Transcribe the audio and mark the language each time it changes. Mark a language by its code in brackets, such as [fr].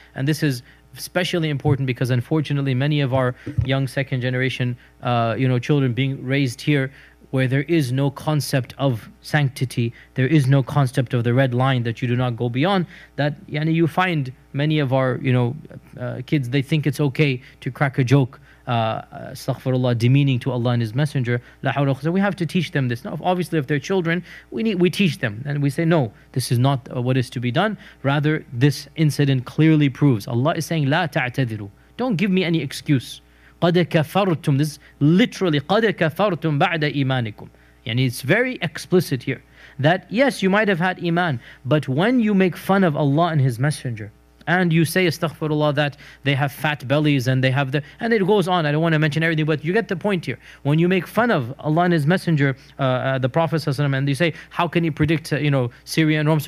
[en] And this is especially important because unfortunately many of our young second generation children being raised here where there is no concept of sanctity, there is no concept of the red line that you do not go beyond, that yani you find many of our kids, they think it's okay to crack a joke, astaghfirullah, demeaning to Allah and His Messenger. So we have to teach them this. Now, obviously, if they're children, we teach them. And we say, no, this is not what is to be done. Rather, this incident clearly proves. Allah is saying, [ar] لا تعتذروا. [en] Don't give me any excuse. [ar] قَدَ كَفَرْتُمْ. [en] This is literally, [ar] قَدَ كَفَرْتُمْ بَعْدَ إِيمَانِكُمْ. [en] And it's very explicit here. That, yes, you might have had iman, but when you make fun of Allah and His Messenger, and you say, astaghfirullah, that they have fat bellies and they have the... And it goes on. I don't want to mention everything, but you get the point here. When you make fun of Allah and His Messenger, the Prophet ﷺ, and you say, how can he predict Syria and Rome?